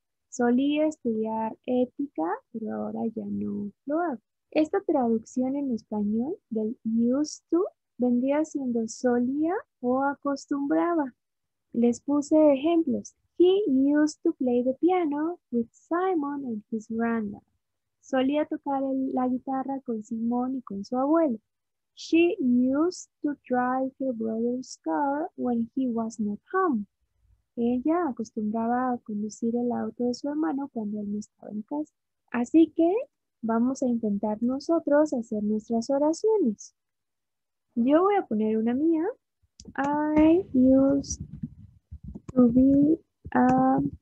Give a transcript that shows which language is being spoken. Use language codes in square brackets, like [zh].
[es] Solía estudiar ética, pero ahora ya no lo hago. Esta traducción en español del used to vendría siendo solía o acostumbraba. Les puse ejemplos. [en] He used to play the piano with Simon and his grandma. [es] Solía tocar la guitarra con Simón y con su abuelo. [en] She used to drive her brother's car when he was not home. [es] Ella acostumbraba a conducir el auto de su hermano cuando él no estaba en casa. Así que vamos a intentar nosotros hacer nuestras oraciones. Yo voy a poner una mía. [en] I used to be a...